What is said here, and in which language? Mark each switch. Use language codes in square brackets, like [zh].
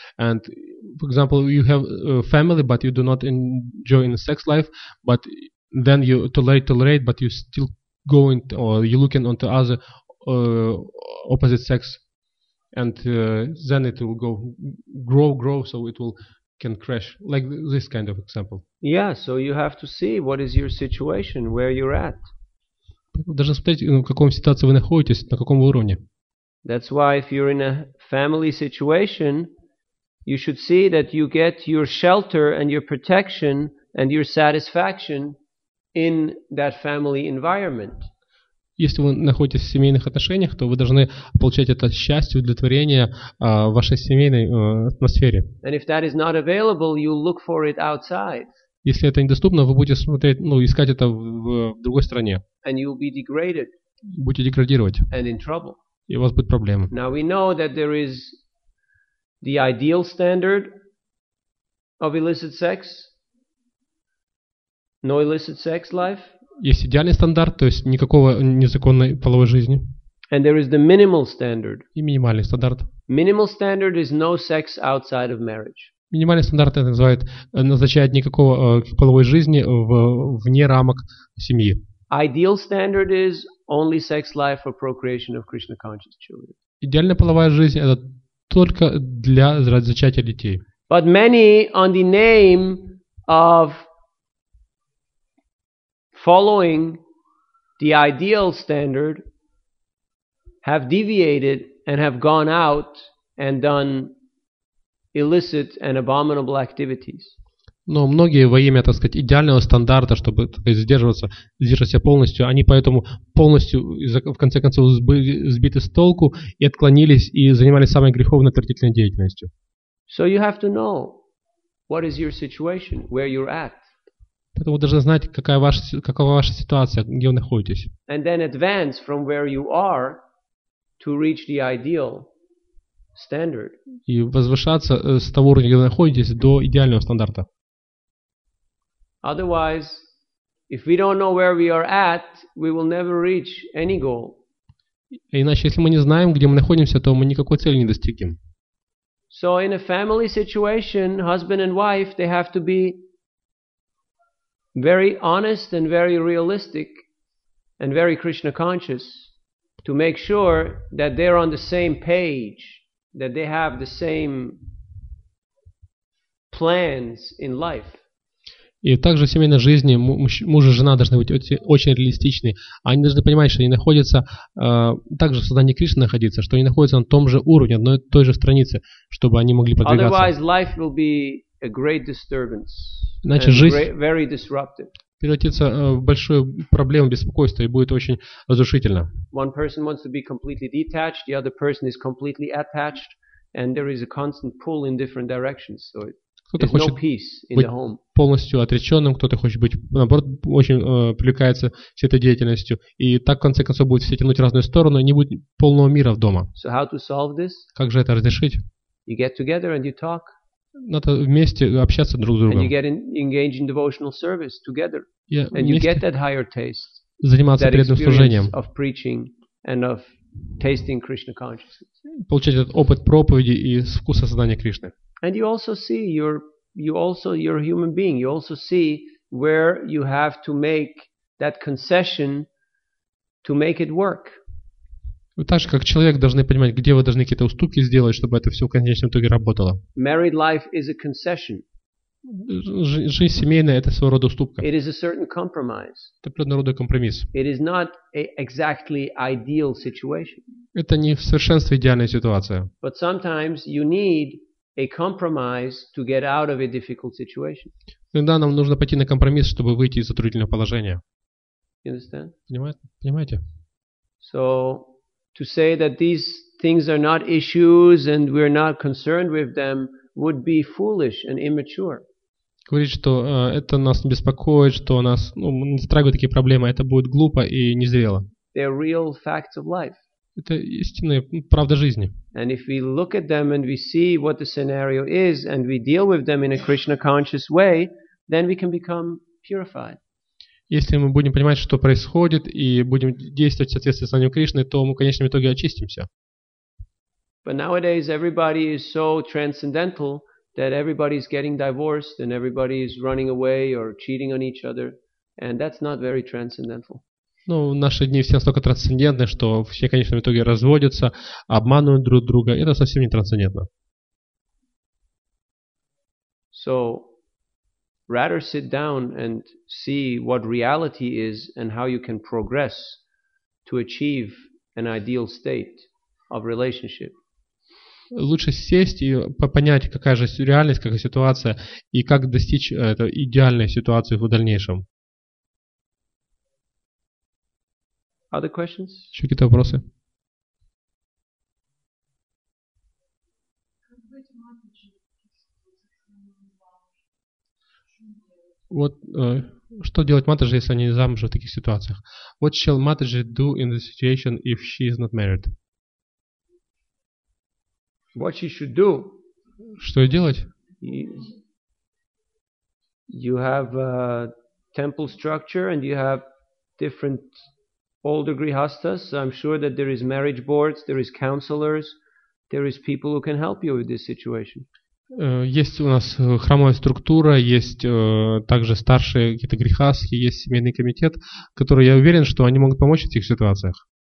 [en] And for example, you have family, but you do not enjoy in sex life, but then you tolerate, but you still going to, or you looking onto other opposite sex, and then it will go grow, so it will can crash, like this kind of example. Yeah, so you have to see what is your situation, where you're at. [ru] Даже смотреть, в каком ситуации вы находитесь, на каком уровне. [en] That's why if you're in a family situation, you should see that you get your shelter and your protection and your satisfaction in that family environment. [ru] Если вы находитесь в семейных отношениях, то вы должны получать это счастье, удовлетворение в вашей семейной атмосфере. [en] And if that is not available, you look for it outside. [ru] Если это недоступно, вы будете смотреть, ну, искать это в другой стране. [en] And you will be degraded. [ru] Будете деградировать. [en] And in trouble. [ru] И у вас будут проблемы. [en] Now we know that there is the ideal standard of illicit sex. No illicit sex life. [ru] Есть идеальный стандарт, то есть никакого незаконной половой жизни. [en] And there is the minimal standard. [ru] И минимальный стандарт. [en] Minimal standard is no sex outside of marriage. [ru] Минимальный стандарт это называет, назначает никакого половой жизни вне рамок семьи. [en] Ideal standard is only sex life for procreation of Krishna conscious children. [ru] Идеальная половая жизнь это только для зачатия детей. [en] But many on the name of following the ideal standard have deviated and have gone out and done illicit and abominable activities. [ru] Но многие во имя, так сказать, идеального стандарта, чтобы сдерживаться полностью, они поэтому полностью в конце концов сбиты с толку и отклонились и занимались самой греховной отвратительной деятельностью. [en] So you have to know what is your situation, where you're at. [ru] Поэтому вы должны знать, какова ваша ситуация, где вы находитесь. [en] And then advance from where you are to reach the ideal standard. [ru] И возвышаться с того уровня, где вы находитесь, до идеального стандарта. [en] Otherwise, if we don't know where we are at, we will never reach any goal. [ru] Иначе, если мы не знаем, где мы находимся, то мы никакой цели не достигнем. [en] So in a family situation, husband and wife, they have to be very honest and very realistic and very Krishna conscious to make sure that they're on the same page, that they have the same plans in life. [ru] И также в семейной жизни муж и жена должны быть очень реалистичны. Они должны понимать, что они находятся, также в сознании Кришны находиться, что они находятся на том же уровне, одной и той же странице, чтобы они могли подвигаться. [en] Otherwise, life will be a great disturbance. [ru] Иначе жизнь [en] very disruptive. [ru] Превратится в большую проблему, беспокойство, и будет очень разрушительно. [en] One person wants to be completely detached, the other person is completely attached, and there is a constant pull in different directions. So [ru] кто-то хочет быть полностью отреченным, кто-то хочет быть, наоборот, очень привлекается с этой деятельностью. И так, в конце концов, будет все тянуть в разные стороны, и не будет полного мира в дома. [en] So how to solve this? [ru] Как же это разрешить? [en] You get together and you talk. [ru] Надо вместе общаться друг с другом. [en] And you get engaged in devotional service together. Yeah, and you get that higher taste. [ru] Заниматься преданным служением. [en] Of preaching and of tasting Krishna consciousness. [ru] Получать этот опыт проповеди и вкуса сознания Кришны. [en] And you also see you're a human being. You also see where you have to make that concession to make it work. [ru] Вы также как человек должны понимать, где вы должны какие-то уступки сделать, чтобы это все в конечном итоге работало. [en] Married life is a concession. [ru] Жизнь семейная — это своего рода уступка. [en] It is a certain compromise. [ru] Это определенного рода компромисс. [en] It is not a exactly ideal situation. [ru] Это не в совершенстве идеальная ситуация. [en] But sometimes you need a compromise to get out of a difficult situation. [ru] Иногда нам нужно пойти на компромисс, чтобы выйти из затруднительного положения. [en] You understand? [ru] Понимаете? [en] So, to say that these things are not issues and we're not concerned with them would be foolish and immature. [ru] Говорить, что это нас не беспокоит, что нас, ну, не затрагивают такие проблемы, это будет глупо и незрело. [en] They're real facts of life. [ru] Это истинная правда жизни. [en] And if we look at them and we see what the scenario is and we deal with them in a Krishna conscious way, then we can become purified. [ru] Если мы будем понимать, что происходит, и будем действовать в соответствии с знанием Кришны, то мы в конечном итоге очистимся. [en] But nowadays everybody is so transcendental that everybody is getting divorced and everybody is running away or cheating on each other, and that's not very transcendental. [ru] Ну, в наши дни все настолько трансцендентны, что все, конечно, в итоге разводятся, обманывают друг друга. Это совсем не трансцендентно. [en] So, rather sit down and see what reality is and how you can progress to achieve an ideal state of relationship. [ru] Лучше сесть и понять, какая же реальность, какая ситуация и как достичь этой идеальной ситуации в дальнейшем. [en] Other questions? [ru] Еще какие-то вопросы? Вот что делать матаджи, если они не замужем в таких ситуациях? [en] What shall matriarch do in the situation if she is not married? What she should do? [ru] Что ей делать? [en] You have a temple structure and you have different older grihasthas, I'm sure that there is marriage boards, there is counselors, there is people who can help you with this situation. [ru] Есть у нас храмовая структура, есть также старшие какие-то грихасхи, есть семейный комитет, который я уверен, что они могут помочь в этих ситуациях.